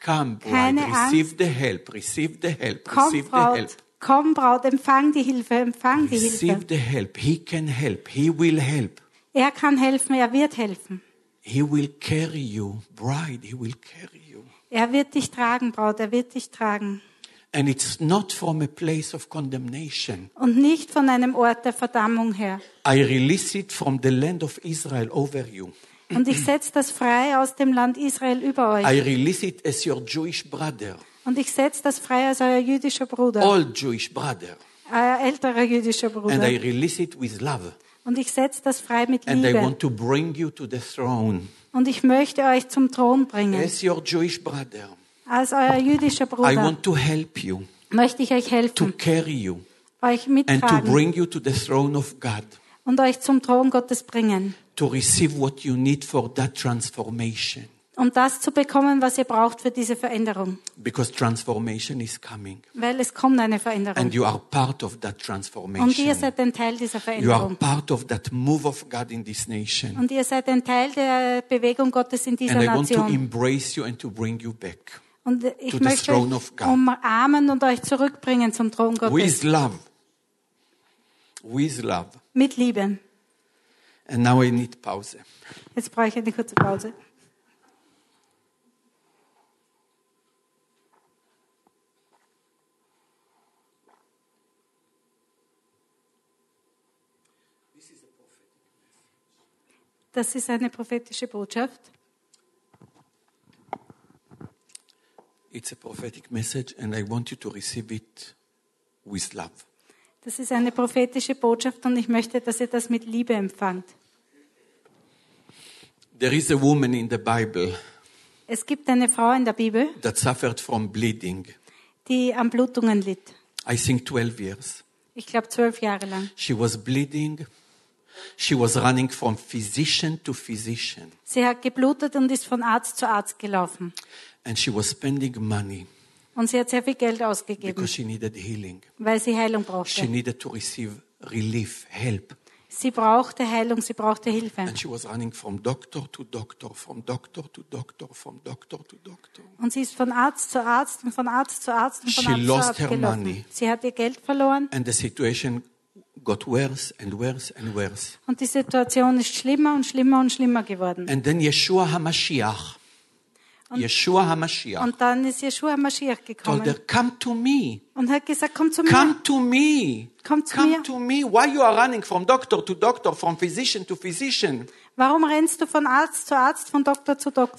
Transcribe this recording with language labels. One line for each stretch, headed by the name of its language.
English: Come, bride. Receive the help. Receive the help.
German: Komm,
English: receive
German: Braut.
English: The help.
German: Komm, Braut. Empfang die Hilfe. Empfang
English: receive
German: die Hilfe.
English: Receive the help. He can help. He will help.
German: Er kann helfen. Er wird helfen.
English: He will carry you, bride. He will carry you.
German: Er wird dich tragen, Braut. Er wird dich tragen.
English: And it's not from a place of condemnation.
German: Und nicht von einem Ort der Verdammung her.
English: I release it from the land of Israel over you.
German: Und ich setze das frei aus dem Land Israel über euch.
English: I release it as your Jewish brother.
German: Und ich setze das frei als euer jüdischer Bruder.
English: All Jewish brother.
German: Euer älterer jüdischer Bruder.
English: And I release it with love.
German: Und ich setze das frei mit
English: and
German: Liebe.
English: And I want to bring you to the throne.
German: Und ich möchte euch zum Thron bringen.
English: As your Jewish brother.
German: Als euer jüdischer Bruder.
English: I want to help you.
German: Möchte ich euch helfen.
English: To carry you.
German: Euch mittragen.
English: And to bring you to the throne of God.
German: Und euch zum Thron Gottes bringen.
English: To receive what you need for that transformation.
German: Um das zu bekommen, was ihr braucht für diese Veränderung.
English: Because transformation is coming.
German: Weil es kommt eine Veränderung.
English: And you are part of that transformation.
German: Und ihr seid ein Teil dieser Veränderung.
English: You are part of that move of God in this nation.
German: Und ihr seid ein Teil der Bewegung Gottes in dieser Nation.
English: And I want to embrace you and to bring you back.
German: Und ich möchte euch umarmen und euch zurückbringen zum Thron Gottes.
English: With love. With love.
German: Mit Liebe.
English: And now I need pause.
German: Jetzt brauche ich eine kurze Pause. Das ist eine prophetische Botschaft.
English: It's a prophetic message and I want you to receive it with love.
German: Das ist eine prophetische Botschaft und ich möchte, dass ihr das mit Liebe empfangt.
English: There is a woman in the Bible.
German: Es gibt eine Frau in der Bibel.
English: That suffered from bleeding.
German: Die an Blutungen litt.
English: I think 12 years.
German: Ich glaube 12 Jahre lang.
English: She was bleeding. She was running from physician to physician.
German: Sie hat geblutet und ist von Arzt zu Arzt gelaufen.
English: And she was spending money.
German: Und sie hat sehr viel Geld ausgegeben.
English: Because she needed healing.
German: Weil sie Heilung brauchte.
English: She needed to receive relief, help.
German: Sie brauchte Heilung, sie brauchte Hilfe.
English: And she was running from doctor to doctor, from doctor to doctor, from doctor to doctor.
German: Und sie ist von Arzt zu Arzt und von Arzt zu Arzt und von
English: she
German: Arzt
English: lost
German: zu Arzt
English: money.
German: Sie hat ihr Geld verloren.
English: And the situation got worse and worse and worse.
German: Und die Situation ist schlimmer und schlimmer und schlimmer geworden.
English: And then Yeshua HaMashiach.
German: Und, Yeshua HaMashiach. Und dann ist Yeshua HaMashiach gekommen.
English: Told her, come to me.
German: Und hat gesagt, komm zu mir.
English: Come to me.
German: Komm zu
English: come
German: mir.
English: Come to me. Why you are running from doctor to doctor, from physician to physician?
German: Warum rennst du von Arzt zu Arzt, von Doktor zu Doktor?